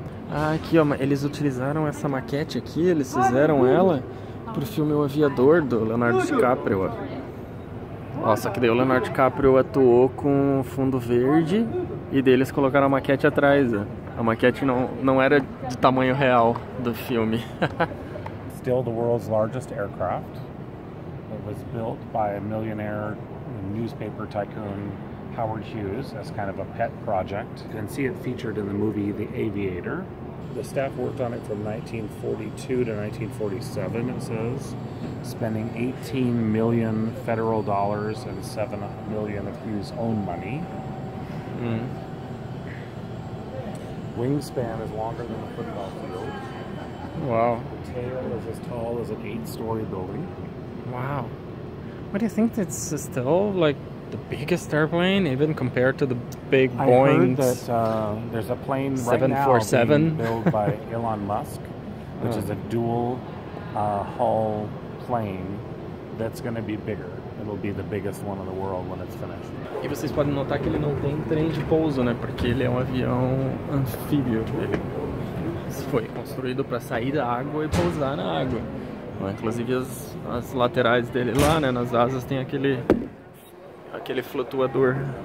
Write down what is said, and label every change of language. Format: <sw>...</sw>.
<pt>Ah, aqui ó, eles utilizaram essa maquete aqui, eles fizeram ela pro filme O Aviador, do Leonardo DiCaprio. Ó, só que daí o Leonardo DiCaprio atuou com fundo verde e daí eles colocaram a maquete atrás. Ó. A maquete não era do tamanho real do filme.</pt> <en>Still the world's largest aircraft. It was built by a millionaire newspaper tycoon Howard Hughes as kind of a pet project. You can see it featured in the movie The Aviator. The staff worked on it from 1942 to 1947, it says, spending 18 million federal dollars and 7 million of Hughes' own money. Mm. Wingspan is longer than a football field. Wow. The tail is as tall as an 8-story building. Wow. What do you think it's still, like, the biggest airplane, even compared to the big Boeing? I heard that there's a plane right now being built by Elon Musk, which is a dual hull plane that's going to be bigger. It'll be the biggest one in the world when it's finished.</en> <pt>E vocês podem notar que ele não tem trem de pouso, né? Porque ele é um avião anfíbio. Ele foi construído para sair da água e pousar na água. Inclusive as laterais dele lá, né? Nas asas tem aquele flutuador.</pt>